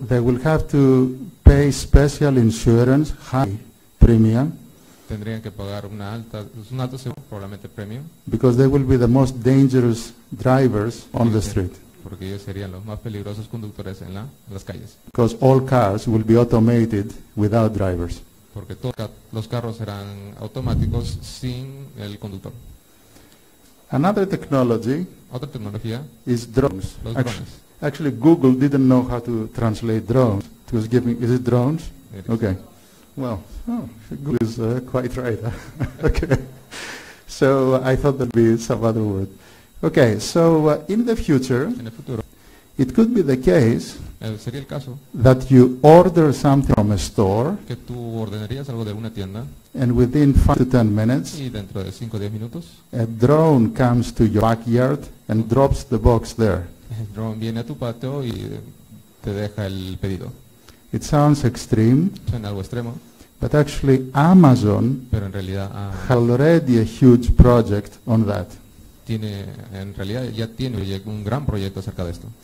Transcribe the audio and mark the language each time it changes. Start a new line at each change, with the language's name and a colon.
English: they will have to pay special insurance, high premium.
Spanish: Tendrían que pagar un alto seguro, probablemente premium.
English: Because they will be the most dangerous drivers on the street.
Spanish: Porque ellos serían los más peligrosos conductores en las calles.
English: Because all cars will be automated without drivers.
Spanish: Porque todos los carros serán automáticos sin el conductor.
English: Another technology.
Spanish: Otra tecnología.
English: Is drones.
Spanish: Los drones.
English: Actually, Google didn't know how to translate drones. It was giving. Is it drones? It okay. Is. Well, Google is quite right. Okay. So I thought there'd be some other word. Okay, so in the future,
Spanish: en el futuro,
English: it could be the case
Spanish: sería el caso
English: that you order something from a store
Spanish: que tú ordenarías algo de una tienda,
English: and within 5 to 10 minutes
Spanish: y dentro de 5 o 10 minutos,
English: a drone comes to your backyard and drops the box there.
Spanish: El drone viene a tu patio y te deja el pedido.
English: It sounds extreme,
Spanish: suena algo extremo,
English: but actually Amazon,
Spanish: pero en realidad,
English: has already a huge project on that.
Spanish: Tiene, en realidad ya tiene un gran proyecto acerca de esto.